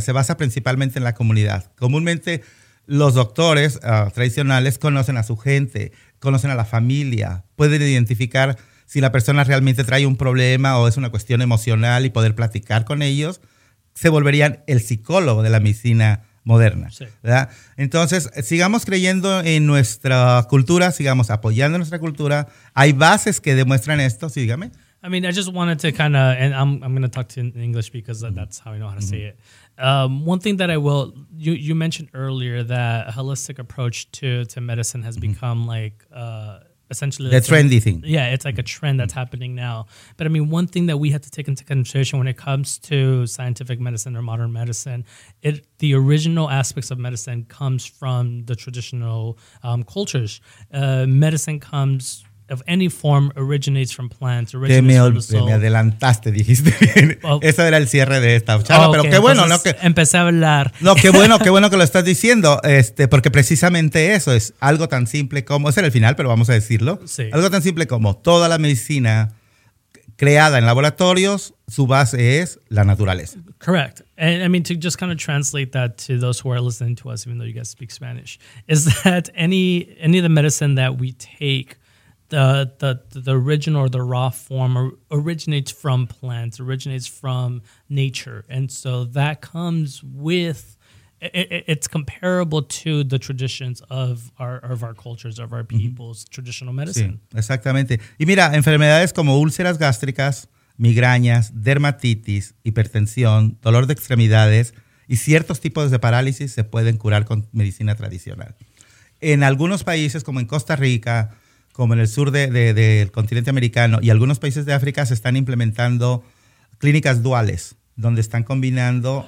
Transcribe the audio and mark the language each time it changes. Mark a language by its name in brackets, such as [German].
[Spanish] Se basa principalmente en la comunidad. Comúnmente los doctores tradicionales conocen a su gente, conocen a la familia, pueden identificar si la persona realmente trae un problema o es una cuestión emocional y poder platicar con ellos, se volverían el psicólogo de la medicina moderna. Sí. ¿Verdad? Entonces, sigamos creyendo en nuestra cultura, sigamos apoyando nuestra cultura. Hay bases que demuestran esto, sí, dígame. [English] I mean, I just wanted to kind of, and I'm going to talk to you in English because that's how I know how to say it. One thing that I will, you mentioned earlier that a holistic approach to medicine has become like essentially the trendy thing. Yeah, it's like a trend that's happening now. But I mean, one thing that we have to take into consideration when it comes to scientific medicine or modern medicine, the original aspects of medicine comes from the traditional cultures. Medicine comes of any form originates from plants, originates from the soil. [Spanish] Me adelantaste, dijiste bien. Ese era el cierre de esta charla, pero qué bueno, ¿no? Empecé a hablar. No, qué bueno que lo estás diciendo, porque precisamente eso es algo tan simple como, ese era el final, pero vamos a decirlo. Sí. Algo tan simple como toda la medicina creada en laboratorios, su base es la naturaleza. [English] Correct. And I mean, to just kind of translate that to those who are listening to us, even though you guys speak Spanish, is that any of the medicine that we take, the original or the raw form originates from plants, originates from nature. And so that comes with, it's comparable to the traditions of our cultures, of our people's mm-hmm. traditional medicine. [Spanish] Sí, exactamente. Y mira, enfermedades como úlceras gástricas, migrañas, dermatitis, hipertensión, dolor de extremidades y ciertos tipos de parálisis se pueden curar con medicina tradicional. En algunos países, como en Costa Rica, como en el sur del continente americano y algunos países de África, se están implementando clínicas duales, donde están combinando...